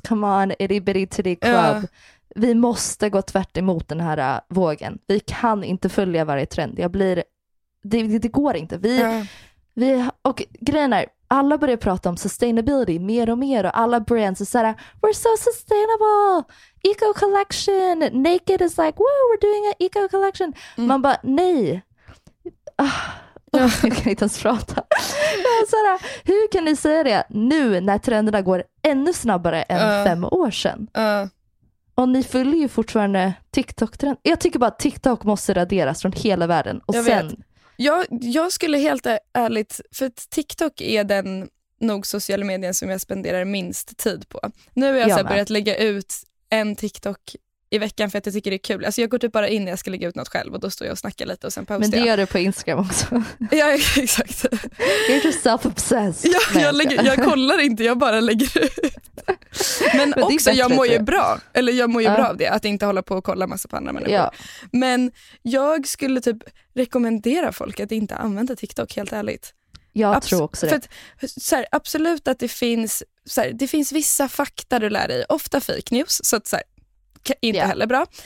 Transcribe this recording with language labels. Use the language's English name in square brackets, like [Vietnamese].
[English] Come on, itty bitty titty club. [Swedish] Vi måste gå tvärt emot den här vågen. Vi kan inte följa varje trend. Det går inte. Och grejen är, alla börjar prata om sustainability mer och mer. Och alla brands är såhär, [English] we're so sustainable. [Swedish] Eco collection. [English] Naked is like, wow, we're doing an eco collection. [Swedish] Man bara, nej. Jag kan inte ens prata. Här, hur kan ni säga det nu när trenderna går ännu snabbare än 5 år sedan? Och ni följer ju fortfarande TikTok-trend. Jag tycker bara att TikTok måste raderas från hela världen. Och jag sen vet. Jag skulle helt ärligt, för TikTok är den nog sociala medien som jag spenderar minst tid på. Nu har jag börjat lägga ut en TikTok i veckan för att jag tycker det är kul. Alltså jag går typ bara in när jag ska lägga ut något själv och då står jag och snackar lite och sen postar. Men det jag. Gör du på Instagram också. Ja, exakt. [English] You're just self-obsessed. [Swedish] Jag kollar inte, jag bara lägger ut. Men också, jag mår ju bra. Eller jag mår ju bra av det, att inte hålla på och kolla massa på andra människor. Ja. Men jag skulle typ rekommendera folk att inte använda TikTok, helt ärligt. Jag tror också det. För att, så här, absolut att det finns, så här, det finns vissa fakta du lär dig, ofta fake news, så att så här, inte heller bra.